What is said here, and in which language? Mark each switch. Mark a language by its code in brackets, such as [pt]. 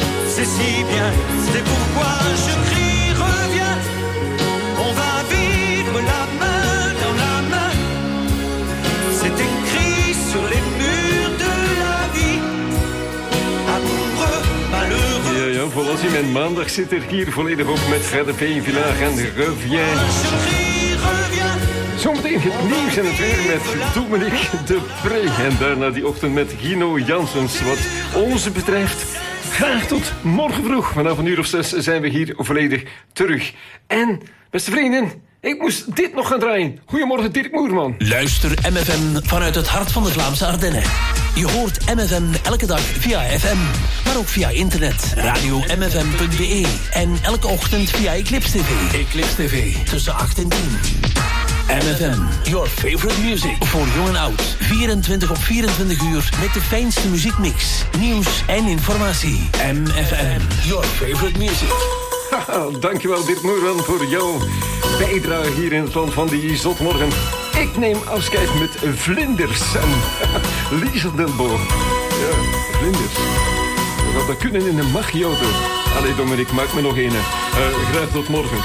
[fr] C'est pourquoi je crie, reviens. On va vivre la main dans la main. C'est écrit sur les murs de la vie. Amoureux, malheureux. [nl] Ja, ja, voilà, zie mijn maandag zit er hier volledig op met Gerde Pijn Villaar en reviens. Zometeen het nieuws en het weer met Dominique de Pre. En daarna die ochtend met Gino Janssens. Wat onze betreft, graag tot morgen vroeg. Vanaf een uur of zes zijn we hier volledig terug. En, beste vrienden, ik moest dit nog gaan draaien. Goedemorgen, Dirk Moerman. Luister MFM vanuit het hart van de Vlaamse Ardennen. Je hoort MFM elke dag via FM, maar ook via internet. Radio MFM.be. En elke ochtend via Eclipse TV. Eclipse TV, tussen 8 en 10. [en] MFM, your favorite music. [nl] Voor jong en oud. 24 op 24 uur met de fijnste muziekmix, nieuws en informatie. [en] MFM, your favorite music. [nl] Dankjewel Dirk Moerman voor jouw bijdrage hier in het land van die zotmorgen. Ik neem afscheid met Vlinders en Liesel Den Boer. Ja, Vlinders. Dat kunnen in de magioto. Allee Dominique, maak me nog een. Graag tot morgen.